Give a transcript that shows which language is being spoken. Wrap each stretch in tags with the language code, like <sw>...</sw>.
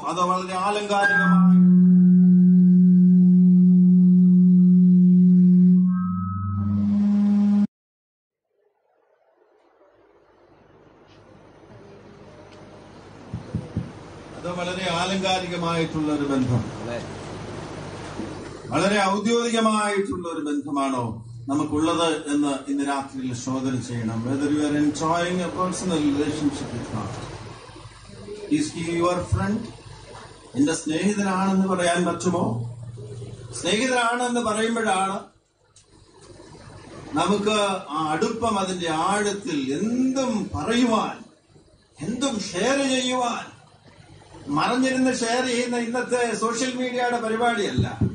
<ml>അതോ വളരെ ആലങ്കാരികമായി ആലങ്കാരികമായിട്ടുള്ള ഒരു ബന്ധം, വളരെ ഔദ്യോഗികമായിട്ടുള്ള ഒരു ബന്ധമാണോ നമുക്കുള്ളത് എന്ന് ഇന്ന് രാത്രിയിൽ ശോധന ചെയ്യണം.</ml> <en>Whether you are enjoying a personal relationship with God, is he your friend?</en> <ml>എന്റെ സ്നേഹിതനാണെന്ന് പറയാൻ പറ്റുമോ? സ്നേഹിതനാണെന്ന് പറയുമ്പോഴാണ് നമുക്ക് ആ അടുപ്പം, അതിന്റെ ആഴത്തിൽ എന്തും പറയുവാൻ, എന്തും ഷെയർ ചെയ്യുവാൻ. മറഞ്ഞിരുന്ന് ഷെയർ ചെയ്യുന്ന ഇന്നത്തെ സോഷ്യൽ മീഡിയയുടെ പരിപാടിയല്ല.</ml>